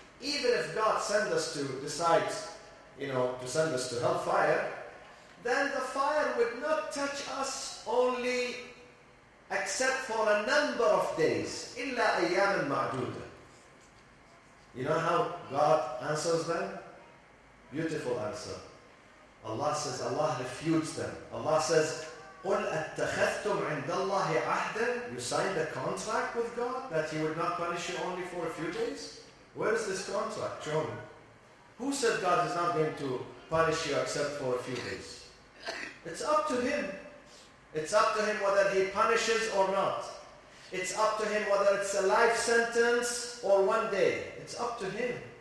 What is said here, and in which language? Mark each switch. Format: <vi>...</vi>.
<en>Even if God decides to send us to hellfire, then the fire would not touch us only except for a number of days.</en> <ar>إِلَّا أَيَّامًا مَعْدُودًا.</ar> <en>You know how God answers them? Beautiful answer. Allah says, Allah refutes them. Allah says,</en> <ar>قُلْ أَتَّخَذْتُمْ عِنْدَ اللَّهِ عَهْدًا.</ar> <en>You signed a contract with God that He would not punish you only for a few days? Where is this contract? Show me. Who said God is not going to punish you except for a few days? It's up to Him. It's up to Him whether He punishes or not. It's up to Him whether it's a life sentence or one day. It's up to Him.</en>